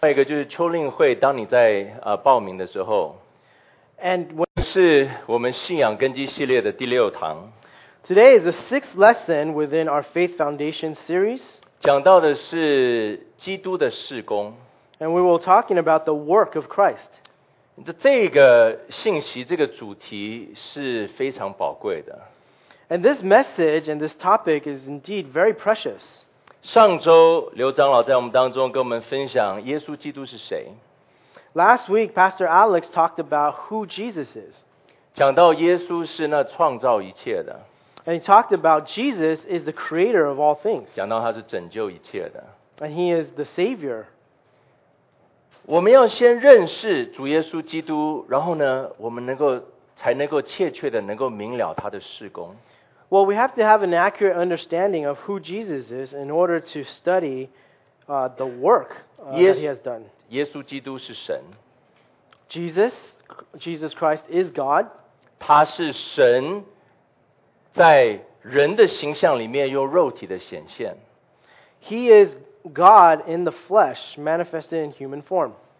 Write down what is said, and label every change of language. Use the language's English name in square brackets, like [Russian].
[Chinese] 外一个就是秋令会，当你在报名的时候 [English] ，and [Chinese] 是我们信仰根基系列的第六堂。 [English] Today is the sixth lesson within our Faith Foundation series. [Chinese] 讲到的是基督的事工。 [English] And we will talking about the work of Christ. [Chinese] 这个信息，这个主题是非常宝贵的。 [English] And this message and this topic is indeed very precious. [Chinese] 上周刘长老在我们当中跟我们分享耶稣基督是谁。 [English] Last week, Pastor Alex talked about who Jesus is. [Chinese] 讲到耶稣是那创造一切的。 [English] And he talked about Jesus is the creator of all things. [Chinese] 讲到他是拯救一切的。 [English] And he is the savior. [Chinese] 我们要先认识主耶稣基督，然后呢，我们能够才能够切切的能够明了他的事工。 [English] Well, we have to have an accurate understanding of who Jesus is in order to study the work that he has done. [Chinese] 耶稣基督是神。 [English] Jesus Christ is God. [Chinese] 他是神。在人的形象里面用肉体的显现。 [English] He is God in the flesh, manifested in human form.